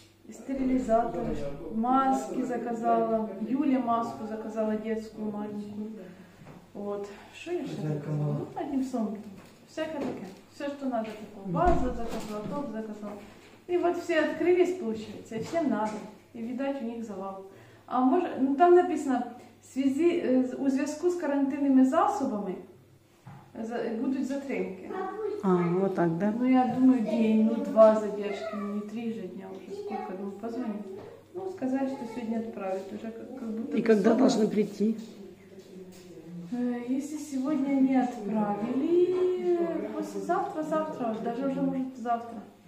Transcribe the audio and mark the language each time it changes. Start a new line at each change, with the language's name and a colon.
Russian: Стерилизаторы, маски заказала, Юля маску заказала детскую маленькую, вот, что еще заказала, ну, одним словом, всякое такое, все, что надо, такое. База заказала, топ заказала, и вот все открылись, получается, и всем надо, и, видать, у них завал, а может, ну, там написано, с связи,
Ukrainian: у зв'язку з карантинними засобами будуть затримки.
Russian: А, вот так, да? Ну, я думаю, день, ну, два задержки, не три же дня уже, сколько, думаю, позвонить. Ну, сказать, что сегодня отправят, уже как будто... И когда должны прийти? Если сегодня не отправили, послезавтра, завтра, даже уже может завтра.